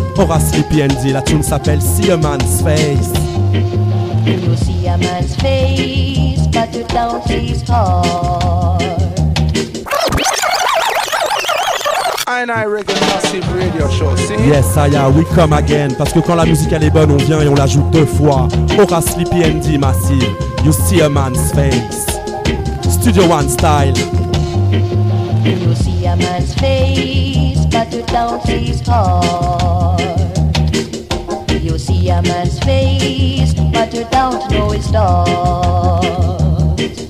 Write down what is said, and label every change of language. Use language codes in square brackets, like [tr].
[fr] Aura Sleepy ND, la tune s'appelle See a Man's Face. [en] You see a man's face, but you don't see his heart. I and I Reggae Massive Radio Show, see? Yes, Aya, we come again. [fr] Parce que quand la musique elle est bonne, on vient et on la joue deux fois. [en] Aura Sleepy ND, Massive, you see a man's face. Studio One style. You see a man's face, but you don't see his heart. You see a man's face, but you don't know his thoughts.